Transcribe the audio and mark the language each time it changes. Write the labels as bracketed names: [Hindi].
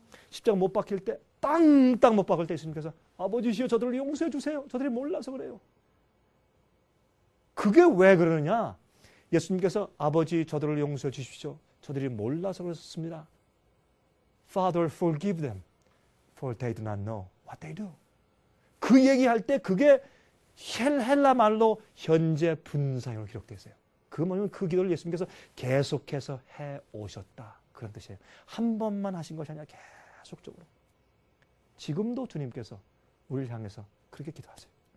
[Korean] 십자가 못 박힐 때, 땅땅 못 박을 때 예수님께서 아버지시여 저들을 용서해 주세요. 저들이 몰라서 그래요. 그게 왜 그러느냐? 예수님께서 아버지 저들을 용서해 주십시오. 저들이 몰라서 그렇습니다. [English] Father, forgive them. For they do not know what they do. [Korean] 그 얘기할 때 그게 헬라 말로 현재 분사형으로 기록되어 있어요. 그 뭐냐면 그 기도를 예수님께서 계속해서 해오셨다. 그런 뜻이에요. 한 번만 하신 것이 아니라 계속적으로. 지금도 주님께서 우리를 향해서 그렇게 기도하세요.